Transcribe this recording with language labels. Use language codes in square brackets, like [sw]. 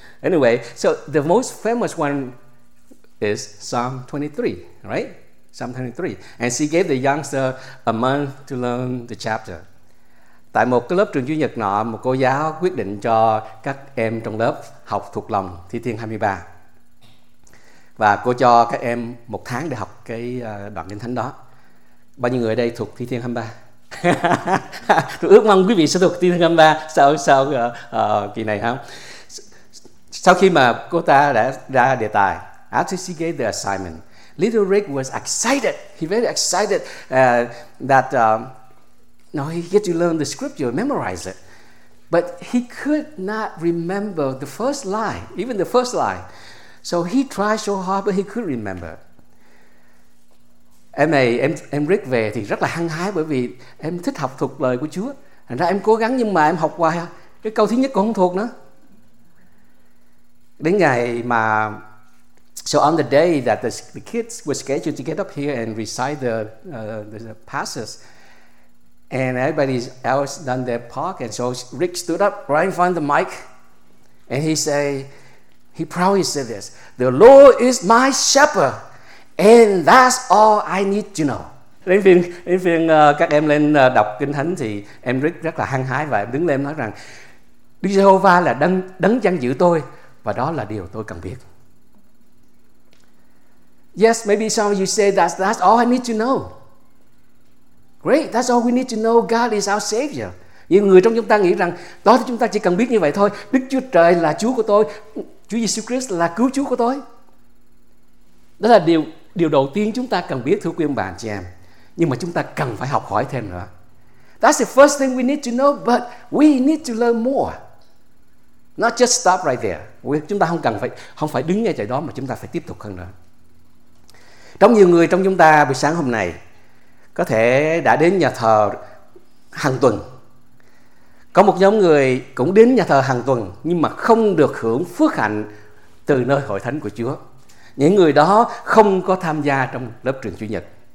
[en] Anyway, so the most famous one is Psalm 23, right? Psalm 23. And she gave the youngster a month to learn the chapter. [vi] Tại một cái lớp trường chủ nhật nọ, một cô giáo quyết định cho các em trong lớp học thuộc lòng Thi Thiên 23. Và cô cho các em một tháng để học cái đoạn kinh thánh đó. Bao nhiêu người ở đây thuộc Thi Thiên 23? Tôi ước mong quý vị sẽ thuộc Thi Thiên 23 sau kỳ này không? Sau khi mà cô ta đã ra đề tài, [en] after she gave the assignment, Little Rick was excited. He very excited he gets to learn the scripture, memorize it. But he could not remember the first line, even the first line. So he tried so hard, but he could remember. [vi] Em Rick về thì rất là hăng hái bởi vì em thích học thuộc lời của Chúa. Thành ra em cố gắng nhưng mà em học hoài. Cái câu thứ nhất cũng không thuộc nữa. Đến ngày mà [en] So on the day that the kids were scheduled to get up here and recite the passages, and everybody else done their part, and so Rick stood up right in front of the mic, and he proudly said this, "The Lord is my shepherd, and that's all I need to know." [vi] Đến phiên các em lên đọc kinh thánh thì em Rick rất là hăng hái và em đứng lên nói rằng, Đức Giê-hô-va là đấng chăn giữ tôi, và đó là điều tôi cần biết. [en] Yes, maybe some of you say that's all I need to know. Great, that's all we need to know. God is our Savior. [vi] Nhiều người trong chúng ta nghĩ rằng đó thì chúng ta chỉ cần biết như vậy thôi. Đức Chúa Trời là Chúa của tôi. Chúa Giêsu Christ là cứu Chúa của tôi. Đó là điều đầu tiên chúng ta cần biết, thưa quý ông bà, chị em. Nhưng mà chúng ta cần phải học hỏi thêm nữa. [en] That's the first thing we need to know, but we need to learn more. Not just stop right there. [vi] Chúng ta không phải đứng ngay tại đó, mà chúng ta phải tiếp tục hơn nữa. Trong nhiều người trong chúng ta buổi sáng hôm nay có thể đã đến nhà thờ hàng tuần. Có một nhóm người cũng đến nhà thờ hàng tuần nhưng mà không được hưởng phước hạnh từ nơi Hội Thánh của Chúa. Những người đó không có tham gia trong lớp trường chủ nhật.